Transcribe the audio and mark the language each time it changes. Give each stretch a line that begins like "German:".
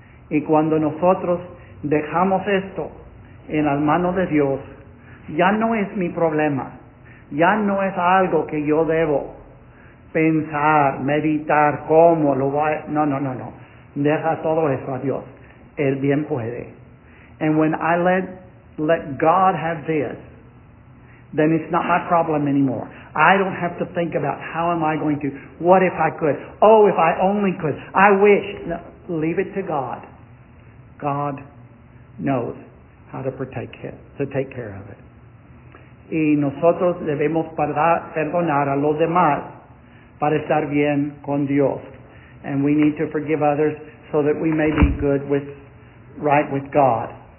Spanish: Y cuando nosotros dejamos esto en las manos de Dios, ya no es mi problema. Ya no es algo que yo debo pensar, meditar, cómo lo voy a... No. Deja todo eso a Dios. Él bien puede.
English: And when I let God have this, then it's not my problem anymore. I don't have to think about how am I going to, what if I could, oh, if I only could, I wish. No, leave it to God. God knows how to take care of it.
Spanish: Y nosotros debemos perdonar a los demás para estar bien con Dios.
English: And we need to forgive others so that we may be good with, right with God.